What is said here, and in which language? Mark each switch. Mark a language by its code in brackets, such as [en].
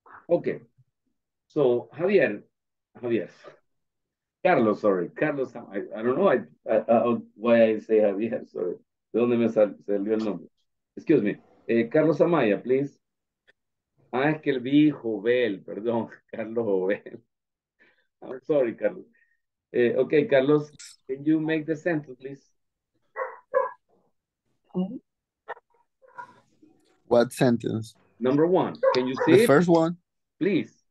[en] Okay, so Carlos, I don't know why I say Javier, sorry. [es] ¿De dónde me salió el nombre? [en] Excuse me, Carlos Amaya, please. [es] Ah, es que el viejo Bel, perdón, Carlos Bel. [en] I'm sorry, Carlos. Okay, Carlos, can you make the sentence, please? What sentence? Number one. Can you see the first one? Please.